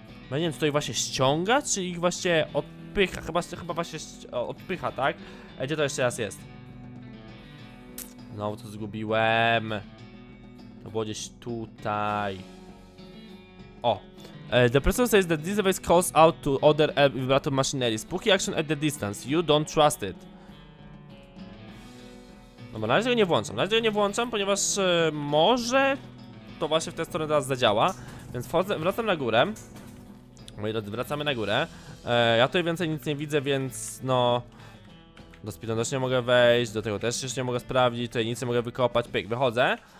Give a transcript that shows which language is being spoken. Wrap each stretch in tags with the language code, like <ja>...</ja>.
<pl>Ja nie wiem, czy to ich właśnie ściąga, czy ich właśnie odpycha. Chyba właśnie odpycha, tak? Gdzie to jeszcze raz jest? Znowu to zgubiłem. To było gdzieś tutaj. O.</pl> <en>The person says that this device calls out to other vibrato machinery. Spooky action at the distance. You don't trust it.</en> <pl>No bo na razie go nie włączam. Na razie go nie włączam, ponieważ może to właśnie w tę stronę teraz zadziała. Więc wracam na górę. Moi drodzy, wracamy na górę. Ja tutaj więcej nic nie widzę, więc no... Do speedrun też nie mogę wejść, do tego też jeszcze nie mogę sprawdzić, tutaj nic nie mogę wykopać, pyk, wychodzę.</pl>